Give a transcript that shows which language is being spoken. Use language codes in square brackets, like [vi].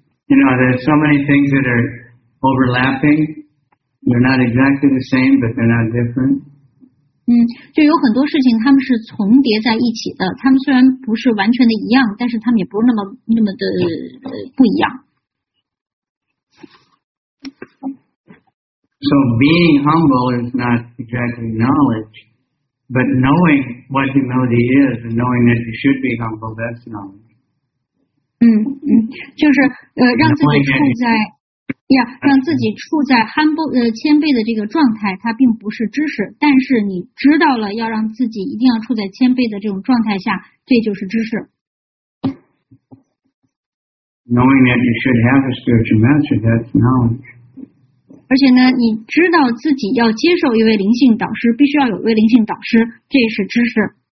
[en] You know, there's so many things that are overlapping. They're not exactly the same, but they're not different. [zh] 就有很多事情他们是重叠在一起的。他们虽然不是完全的一样，但是他们也不是那么的不一样。 [en] So being humble is not exactly knowledge, but knowing what humility is and knowing that you should be humble, that's knowledge. [zh] 就是让自己处在让自己处在 humble 谦卑的这个状态，它并不是知识，但是你知道了要让自己一定要处在谦卑的这种状态下，这就是知识。 [en] Knowing that you should have a spiritual master, that's knowledge. [zh] 而且呢，你知道自己要接受一位灵性导师，必须要有一位灵性导师，这是知识。